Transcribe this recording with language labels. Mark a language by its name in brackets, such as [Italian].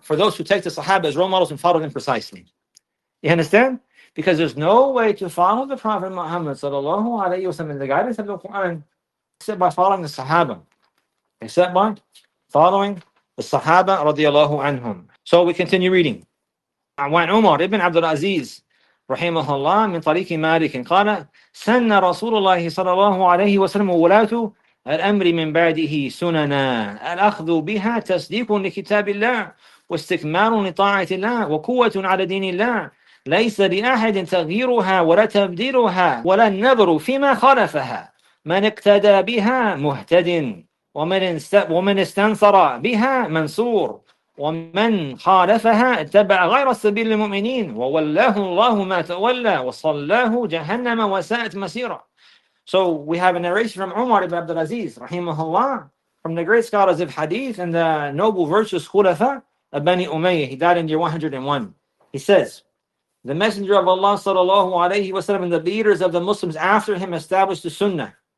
[English] For those who take the Sahaba as role models and follow them precisely. You understand? Because there's no way to follow the Prophet Muhammad sallallahu alayhi wa sallam in the guidance of the Quran except by following the Sahaba. Except by following the Sahaba radiallahu anhum. So we continue reading. [Arabic] عن عمر بن عبد العزيز رحمه الله من طريق مالك قال سن رسول الله صلى الله عليه وسلم ولاته الأمر من بعده سننا الأخذ بها تصديق لكتاب الله واستكمال لطاعة الله وقوة على دين الله ليس لأحد تغييرها ولا تبديلها ولا النظر فيما خالفها من اقتدى بها مهتد ومن استنصر بها منصور ومن خالفها اتبع غير سبيل المؤمنين وولاه الله ما تولى وصلاه جهنم وساءت مسيرا. [English] So we have a narration from Umar ibn Abdulaziz rahimahullah, from the great scholars of hadith and the noble virtuous khulafa of Bani Umayyah. He died in year 101. He says, the messenger of Allah sallallahu alayhi wa sallam and the leaders of the Muslims after him established the sunnah.